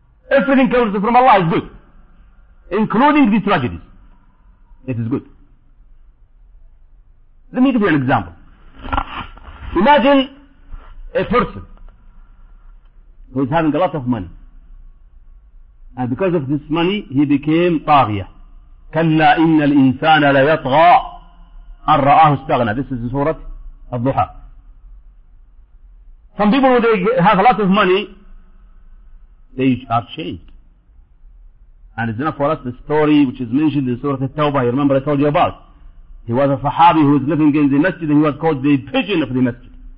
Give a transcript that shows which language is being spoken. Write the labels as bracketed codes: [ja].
[en] Everything comes from Allah is good, including the tragedies. It is good. Let me give you an example. Imagine a person who is having a lot of money, and because of this money he became طاغيه. [ar] كلا إن الإنسان لا يطغى أن رآه استغنى. [en] This is Surah Al-Duha. Some people, when they have a lot of money, they are changed. And it's enough for us the story which is mentioned in Surah At-Tawbah. You remember I told you about. He was a Sahabi who was living in the masjid and he was called the pigeon of the masjid.